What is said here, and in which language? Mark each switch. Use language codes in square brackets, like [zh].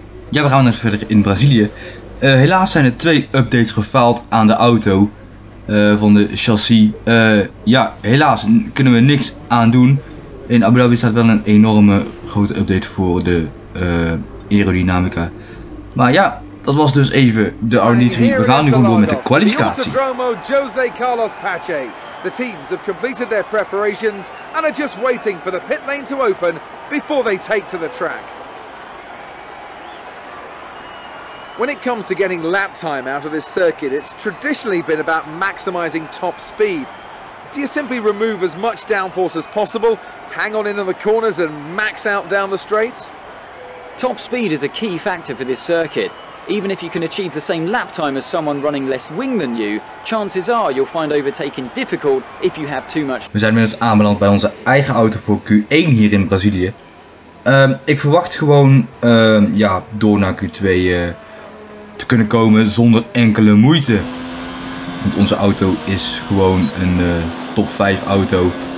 [nl] Ja, we gaan nog verder in Brazilië. Helaas zijn er twee updates gefaald aan de auto van de chassis. Helaas kunnen we niks aan doen. In Abu Dhabi staat wel een enorme grote update voor de aerodynamica. Maar ja, dat was dus even de R&D3. We gaan nu gewoon door met de kwalificatie. Autodromo José Carlos Pache. [en] The teams have completed their preparations and are just waiting for the pit lane to open before they take to the track. When it comes to getting lap time out of this circuit, it's traditionally been about maximizing top speed. Do you simply remove as much downforce as possible, hang on in the corners and max out down the straights? Top speed is a key factor for this circuit. Even if you can achieve the same lap time as someone running less wing than you, chances are you'll find overtaking difficult if you have too much. [nl] We zijn inmiddels aanbeland bij onze eigen auto voor Q1 hier in Brazilië. Ik verwacht gewoon door naar Q2. Te kunnen komen zonder enkele moeite. Want onze auto is gewoon een top 5 auto.